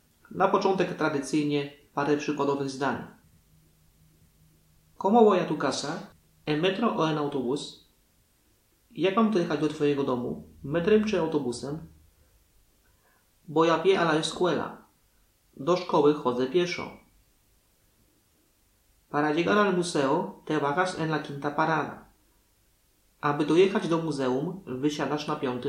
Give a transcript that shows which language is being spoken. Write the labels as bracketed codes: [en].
[pl] Na początek tradycyjnie parę przykładowych zdań. [es] Komo voy a tu casa? En metro o en autobus? [pl] Jak mam dojechać do twojego domu? Metrem czy autobusem? [es] Voy a pie a la escuela. [pl] Do szkoły chodzę pieszo. [es] Para llegar al museo, te bajas en la quinta parada. [pl] Aby dojechać do muzeum, wysiadasz na 5.